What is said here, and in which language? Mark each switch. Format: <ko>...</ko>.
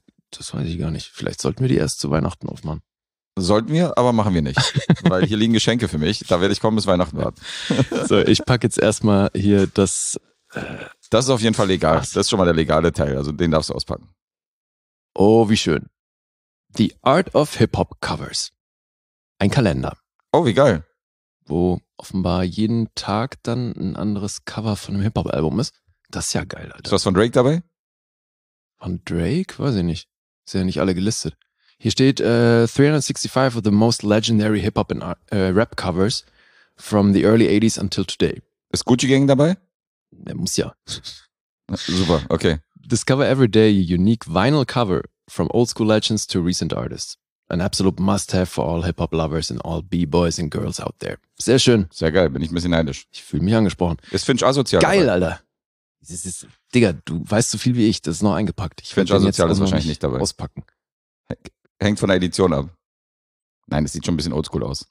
<de>Das weiß ich gar nicht. Vielleicht sollten wir die erst zu Weihnachten aufmachen. Sollten wir, aber machen wir nicht. Weil hier liegen Geschenke für mich. Da werde ich kommen, bis Weihnachten warten. So, ich packe jetzt erstmal hier das... Das ist auf jeden Fall legal. Was? Das ist schon mal der legale Teil. Also den darfst du auspacken. Oh, wie schön.</de> <en>The Art of Hip-Hop Covers.</en> <de>Ein Kalender. Oh, wie geil. Wo offenbar jeden Tag dann ein anderes Cover von einem Hip-Hop-Album ist. Das ist ja geil, Alter. Ist was von Drake dabei? Von Drake? Weiß ich nicht. Ist ja nicht alle gelistet. Hier steht</de> <en>365 of the most legendary Hip-Hop and Rap Covers from the early 80s until today.</en> <de>Ist Gucci Gang dabei? Der muss ja. Super, okay.</de> <en>Discover every day a unique vinyl cover from old school legends to recent artists. An absolute must-have for all Hip-Hop lovers and all B-Boys and Girls out there.</en> <de>Sehr schön. Sehr geil, bin ich ein bisschen neidisch. Ich fühle mich angesprochen. Ist Finch asozial. Geil, dabei. Alter. Das ist, Digga, du weißt so viel wie ich, das ist noch eingepackt. Ich Finch asozial ist wahrscheinlich nicht dabei. Auspacken. Hängt von der Edition ab. Nein, es sieht schon ein bisschen oldschool aus.</de>